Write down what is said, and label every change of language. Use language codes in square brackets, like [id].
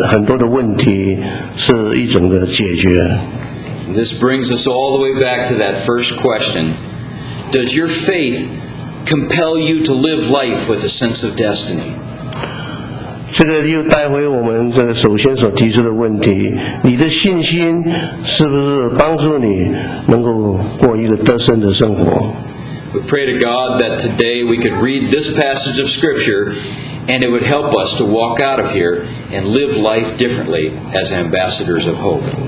[zh] 只要你是有信心的话,你对这个世界的很多的问题是一种的解决。 [en] This brings us all the way back to that first question. Does your faith compel you to live life with a sense of destiny? [zh] 这个又带回我们这个首先所提出的问题,你的信心是不是帮助你能够过一个得胜的生活? [en] We pray to God that today we could read this passage of Scripture and it would help us to walk out of here and live life differently as ambassadors of hope.